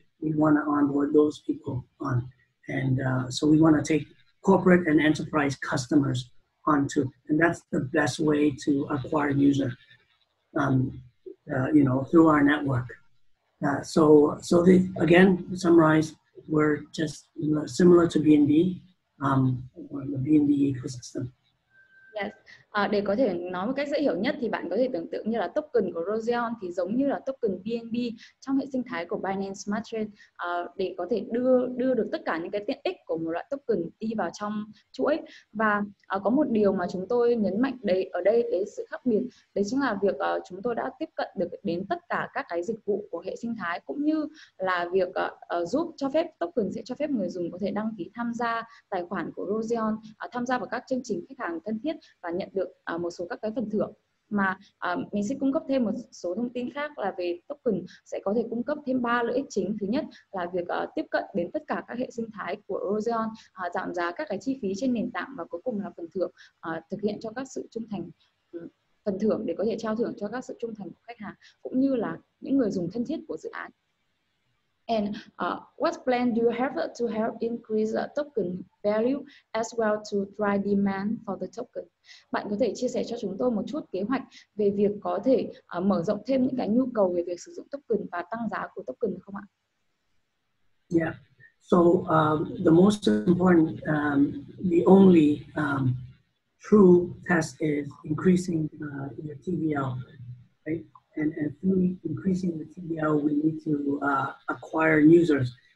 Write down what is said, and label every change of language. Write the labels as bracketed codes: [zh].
[en] We want to onboard those people on. And so we want to take corporate and enterprise customers onto. And that's the best way to acquire user, you know, through our network. So the, again, to summarize, we're just similar to BNB, the BNB ecosystem. Yes. [vi] Để có thể nói một cách dễ hiểu nhất thì bạn có thể tưởng tượng như là token của Roseon thì giống như là token BNB trong hệ sinh thái của Binance Smart Chain, để có thể đưa được tất cả những cái tiện ích của một loại token đi vào trong chuỗi. Và có một điều mà chúng tôi nhấn mạnh đấy ở đây đấy sự khác biệt, đấy chính là việc chúng tôi đã tiếp cận được đến tất cả các cái dịch vụ của hệ sinh thái, cũng như là việc giúp cho phép token sẽ cho phép người dùng có thể đăng ký tham gia tài khoản của Roseon, tham gia vào các chương trình khách hàng thân thiết và nhận được một số các cái phần thưởng. Mà mình sẽ cung cấp thêm một số thông tin khác là về token sẽ có thể cung cấp thêm 3 lợi ích chính. Thứ nhất là việc tiếp cận đến tất cả các hệ sinh thái của Roseon, giảm giá các cái chi phí trên nền tảng, và cuối cùng là phần thưởng, thực hiện cho các sự trung thành, phần thưởng để có thể trao thưởng cho các sự trung thành của khách hàng cũng như là những người dùng thân thiết của dự án. [en] And what plan do you have to help increase token value as well to drive demand for the token? [vi] Bạn có thể chia sẻ cho chúng tôi một chút kế hoạch về việc có thể mở rộng thêm những cái nhu cầu về việc sử dụng token và tăng giá của token không ạ? [en] Yeah. So the most important, the only true test is increasing your TVL, right? And through increasing the TVL, we need to acquire users.